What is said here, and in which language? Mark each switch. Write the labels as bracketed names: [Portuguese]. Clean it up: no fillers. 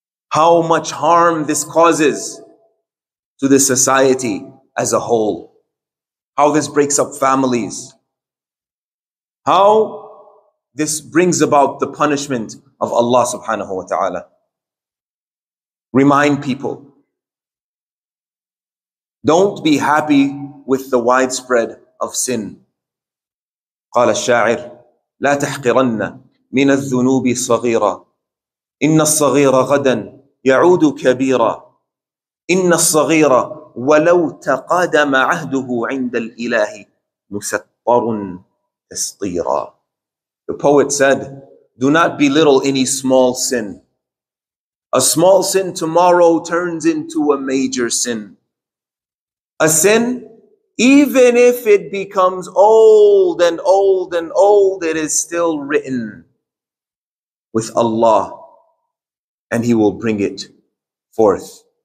[English] how much harm this causes to the society as a whole, how this breaks up families, how this brings about the punishment of Allah subhanahu wa ta'ala. Remind people. Don't be happy with the widespread of sin. [Arabic] قال الشاعر لا تحقرن من الذنوب صغيرة إن الصغيرة غدا يعود كبيرة إن الصغيرة ولو تقادم عهده عند الإله مسطر تسطيرا. [English] The poet said, do not belittle any small sin. A small sin tomorrow turns into a major sin. A sin, even if it becomes old and old and old, it is still written with Allah, and He will bring it forth.